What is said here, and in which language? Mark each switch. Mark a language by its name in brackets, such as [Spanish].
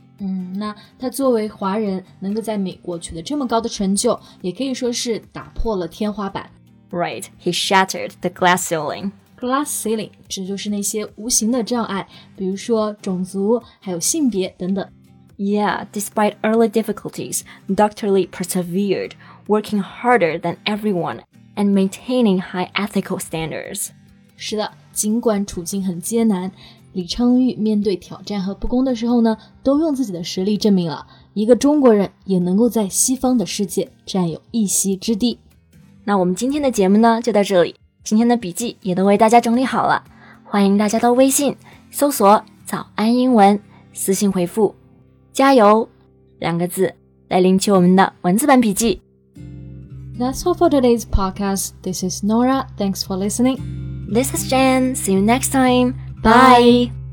[Chinese] 嗯，那他作为华人能够在美国取得这么高的成就，也可以说是打破了天花板。 [English] Right, he shattered the glass ceiling. Glass ceiling [Chinese] 指就是那些无形的障碍，比如说种族还有性别等等。 [English] Yeah, despite early difficulties, Dr. Lee persevered, working harder than everyone and maintaining high ethical standards. [Chinese] 是的，尽管处境很艰难，李昌钰面对挑战和不公的时候呢，都用自己的实力证明了一个中国人也能够在西方的世界占有一席之地。那我们今天的节目呢就到这里，今天的笔记也都为大家整理好了，欢迎大家到微信搜索早安英文，私信回复加油两个字来领取我们的文字版笔记。 [English] That's all for today's podcast. This is Nora. Thanks for listening. This is Jen. See you next time. Bye.